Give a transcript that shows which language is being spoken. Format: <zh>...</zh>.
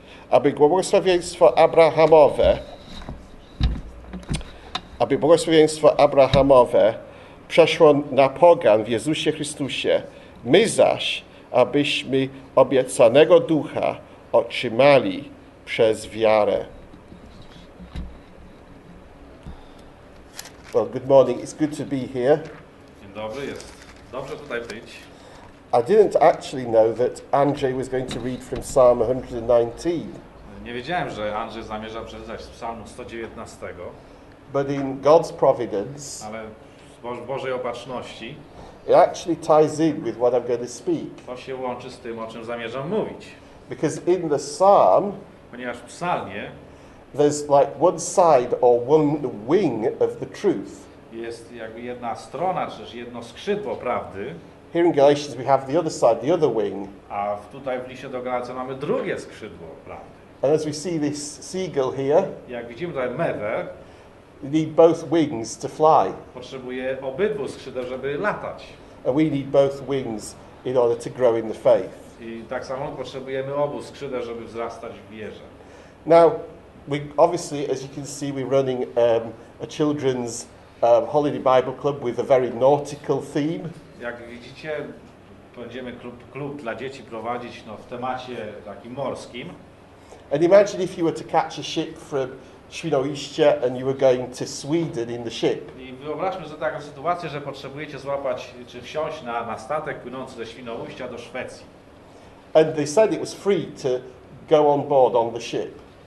<pl>aby błogosławieństwo Abrahamowe przeszło na pogan w Jezusie Chrystusie, my zaś, abyśmy obiecanego ducha otrzymali przez wiarę.</pl> <en>Well, good morning. It's good to be here.</en> <pl>Dzień dobry, jest dobrze tutaj być.</pl> <en>I didn't actually know that Andrzej was going to read from Psalm 119.</en> <pl>Nie wiedziałem, że Andrzej zamierza przeczytać z Psalmu 119.</pl> <en>But in God's providence,</en> <pl>ale w Bożej opatrzności,</pl> <en>it actually ties in with what I'm going to speak.</en> <pl>To się łączy z tym, o czym zamierzam mówić.</pl> <en>Because in the psalm,</en> <pl>ponieważ w psalmie,</pl> <en>there's like one side or one wing of the truth.</en> <pl>Jest jakby jedna strona, czy też jedno skrzydło prawdy.</pl> <en>Here in Galatians we have the other side, the other wing.</en> <pl>A tutaj w liście do Galacji mamy drugie skrzydło prawdy.</pl> <en>And as we see this seagull here,</en> <pl>jak widzimy tutaj mewę,</pl> <en>we need both wings to fly.</en> <pl>Potrzebuje obydwu skrzydeł, żeby latać.</pl> <en>And we need both wings in order to grow in the faith.</en> <pl>I tak samo potrzebujemy obu skrzydeł, żeby wzrastać w wierze.</pl> <en>Now, we obviously, as you can see, we're running a children's holiday Bible club with a very nautical theme.</en> <pl>Jak widzicie, będziemy klub dla dzieci prowadzić, no, w temacie takim morskim.</pl> <en>And imagine if you were to catch a ship from Świnoujście and you were going to Sweden in the ship.</en> <pl>I wyobraźmy sobie taką sytuację, że potrzebujecie złapać czy wsiąść na statek płynący ze Świnoujścia do Szwecji.</pl> <en>And they said it was free to go on board on the ship.</en>